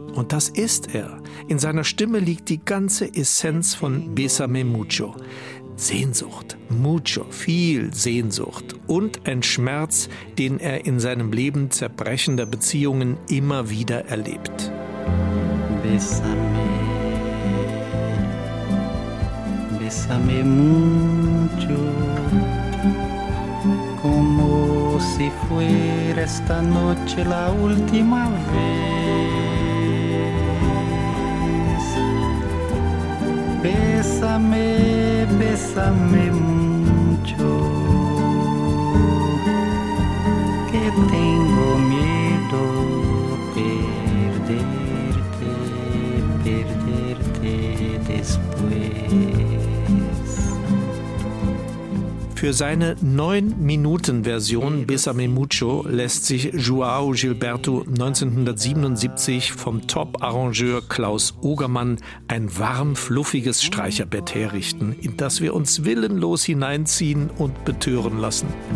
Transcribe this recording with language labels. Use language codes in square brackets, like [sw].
[de] Und das ist er. In seiner Stimme liegt die ganze Essenz von Bésame Mucho. Sehnsucht, mucho, viel Sehnsucht und ein Schmerz, den er in seinem Leben zerbrechender Beziehungen immer wieder erlebt. [es] Bésame. Bésame mucho, como si fuera esta noche la última vez. Bésame, bésame mucho, que tengo miedo perderte, perderte después. [de] Für seine 9-Minuten-Version Bésame Mucho lässt sich João Gilberto 1977 vom Top-Arrangeur Klaus Ogermann ein warm, fluffiges Streicherbett herrichten, in das wir uns willenlos hineinziehen und betören lassen.